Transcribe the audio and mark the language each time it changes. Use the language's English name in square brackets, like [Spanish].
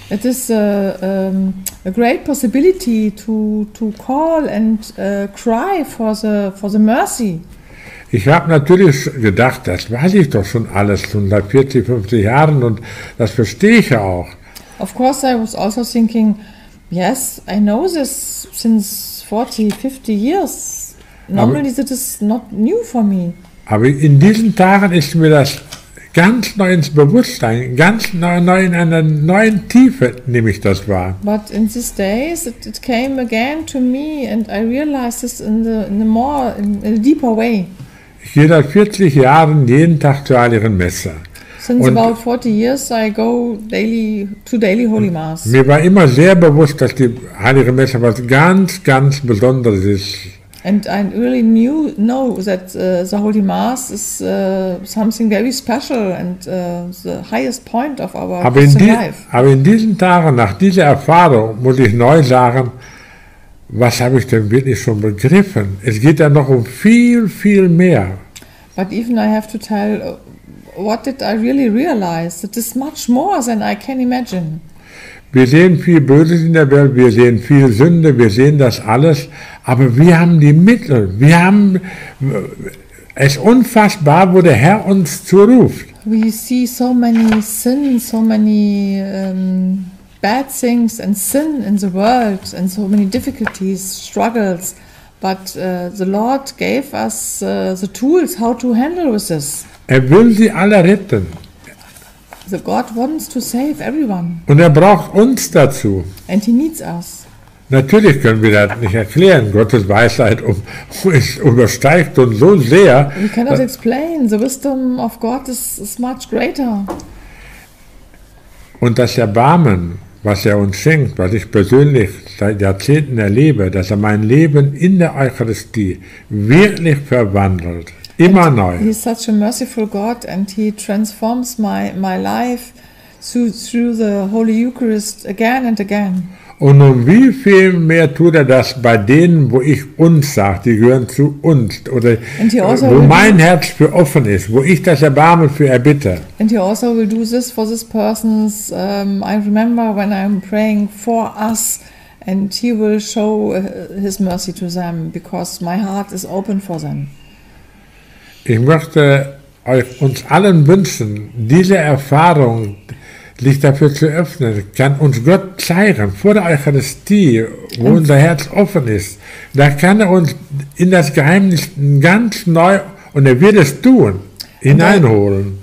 [English] It is a great possibility to call and cry for the mercy. [German] Ich habe natürlich gedacht, das weiß ich doch schon alles, schon seit 40, 50 Jahren, und das verstehe ich ja auch. [English] Of course, I was also thinking, yes, I know this since 40, 50 years. Normally, this is not new for me. [German] Aber in diesen Tagen ist mir das ganz neu ins Bewusstsein, ganz neu in einer neuen Tiefe, nehme ich das wahr. [English] But in these days, it came again to me, and I realized this in a deeper way. [German] Ich gehe seit 40 Jahren jeden Tag zur Heiligen Messe. [English] Since about 40 years, I go daily to daily Holy Mass. [German] Mir war immer sehr bewusst, dass die Heilige Messe was ganz, ganz Besonderes ist. [English] And I really know that the Holy Mass is something very special and the highest point of our Christian life. [German] Aber in diesen Tagen, nach dieser Erfahrung, muss ich neu sagen, was habe ich denn wirklich schon begriffen? Es geht ja noch um viel, viel mehr. [English] But even I have to tell, what did I really realize? It is much more than I can imagine. [German] Wir sehen viel Böses in der Welt, wir sehen viel Sünde, wir sehen das alles, aber wir haben die Mittel. Wir haben es unfassbar, wo der Herr uns zuruft. [English] We see so many sins, so many bad things and sin in the world and so many difficulties, struggles, but the Lord gave us the tools how to handle with this. [German] Er will sie alle retten. [English] So God wants to save everyone. [German] Und er braucht uns dazu. [English] And he needs us. [German] Natürlich können wir das nicht erklären. Gottes Weisheit übersteigt uns so sehr. [English] We cannot explain. The wisdom of God is much greater. [German] Und das Erbarmen, was er uns schenkt, was ich persönlich seit Jahrzehnten erlebe, dass er mein Leben in der Eucharistie wirklich verwandelt. Immer neu. [English] He is such a merciful God and he transforms my life through the Holy Eucharist again and again. [German] Und um wie viel mehr tut er das bei denen, wo ich uns sage, die gehören zu uns, oder wo mein Herz für offen ist, wo ich das Erbarmen für erbitte. [English] And he also will do this for this persons. I remember when I'm praying for us, and he will show his mercy to them, because my heart is open for them. [German] Ich möchte euch uns allen wünschen, diese Erfahrung, sich dafür zu öffnen, kann uns Gott zeigen, vor der Eucharistie, wo unser Herz offen ist. Da kann er uns in das Geheimnis ganz neu, und er wird es tun, hineinholen.